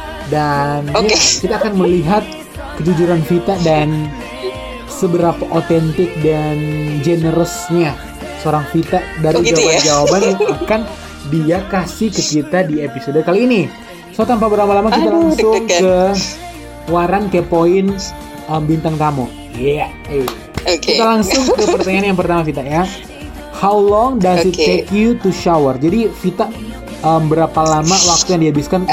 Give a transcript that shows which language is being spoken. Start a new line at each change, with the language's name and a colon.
Indonesian: Dan kita akan melihat kejujuran Vita dan seberapa otentik dan generousnya seorang Vita dari jawaban-jawaban yang akan dia kasih ke kita di episode kali ini. So, tanpa berlama-lama kita langsung ke waran kepoin bintang tamu. Kita langsung ke pertanyaan yang pertama, Vita ya.
English: How long does it take you to shower?
Indonesian: Jadi Vita berapa lama waktu yang dihabiskan